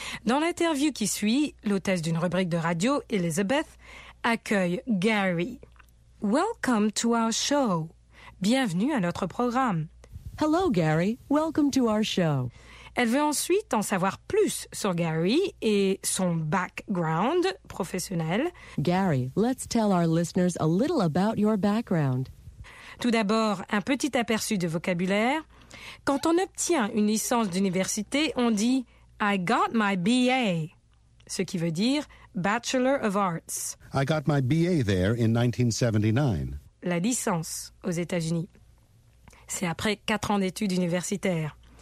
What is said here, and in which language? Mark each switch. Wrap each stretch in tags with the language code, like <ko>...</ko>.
<fr>Dans l'interview qui suit, l'hôtesse d'une rubrique de radio, Elizabeth, accueille Gary.</fr> <en>Welcome to our show.</en> <fr>Bienvenue à notre programme.</fr> <en>Hello Gary, welcome to our show.</en> <fr>Elle veut ensuite en savoir plus sur Gary et son background professionnel.</fr> <en>Gary, let's tell our listeners a little about your background.</en> <fr>Tout d'abord, un petit aperçu de vocabulaire. Quand on obtient une licence d'université, on dit «</fr> <en>I got my BA</en> <fr>», ce qui veut dire « Bachelor of Arts ».«</fr> <en>I got my BA there in 1979 ».</en> <fr>La licence aux États-Unis. C'est après 4 ans d'études universitaires.</fr>